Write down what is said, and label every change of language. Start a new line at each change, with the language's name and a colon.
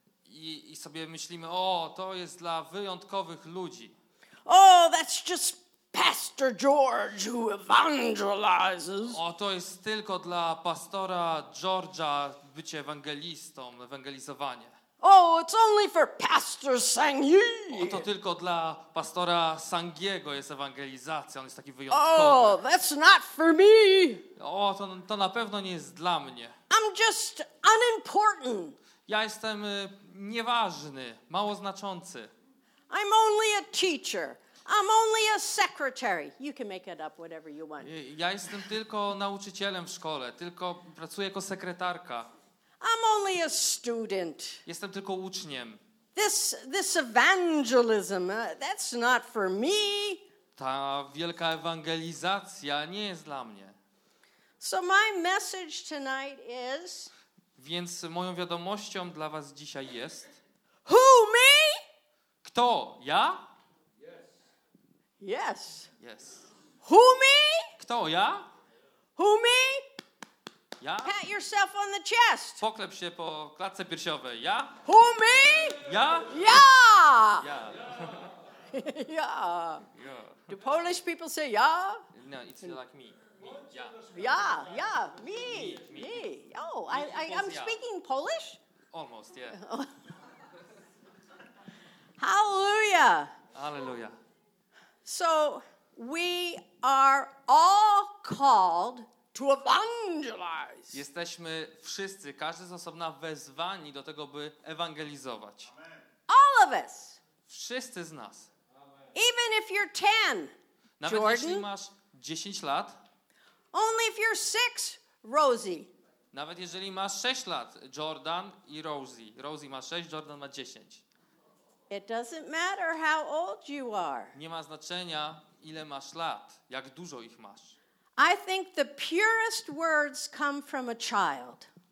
Polish: I sobie myślimy, o, to jest dla wyjątkowych ludzi.
English: Oh, that's just Pastor George who evangelizes.
Polish: O, to jest tylko dla pastora George'a bycie ewangelistą, ewangelizowanie.
English: Oh, it's only for Pastor Sang-Yi.
Polish: O, to tylko dla pastora Sang-Yi'ego jest ewangelizacja, on jest taki wyjątkowy.
English: Oh, that's not for me.
Polish: O, to na pewno nie jest dla mnie.
English: I'm just unimportant.
Polish: Ja jestem nieważny, mało znaczący.
English: I'm only a teacher. I'm only a secretary. You can make it up whatever you want.
Polish: Ja jestem tylko nauczycielem w szkole, tylko pracuję jako sekretarka.
English: I'm only a student.
Polish: Jestem tylko uczniem.
English: This evangelism, that's not for me.
Polish: Ta wielka ewangelizacja nie jest dla mnie.
English: So my message tonight is.
Polish: Więc moją wiadomością dla was dzisiaj jest.
English: Who, me?
Polish: Kto? Ja?
English: Yes. Yes. Who, me?
Polish: Kto, ja?
English: Who, me?
Polish: Ja?
English: Pat yourself on the chest.
Polish: Poklep się po klatce piersiowej. Ja?
English: Who, me?
Polish: Ja? Ja! Ja.
English: Ja. Do Polish people say ja? No, it's like me. Me, ja. Ja, ja, me. Me. Me. Oh, I'm speaking Polish? Almost, yeah. Hallelujah. Hallelujah. So we are all called to evangelize.
Polish: Jesteśmy wszyscy, każdy z osobna wezwani do tego, by ewangelizować.
English: Amen. All of us.
Polish: Wszyscy z nas.
English: Amen. Even if you're 10,
Polish: nawet Jordan, jeśli masz 10 lat.
English: Only if you're 6, Rosie.
Polish: Nawet jeżeli masz 6 lat, Jordan i Rosie. Rosie ma 6, Jordan ma 10.
English: It doesn't matter how old you are.
Polish: Nie ma znaczenia, ile masz lat, jak dużo ich masz.
English: I think the purest words come from a child.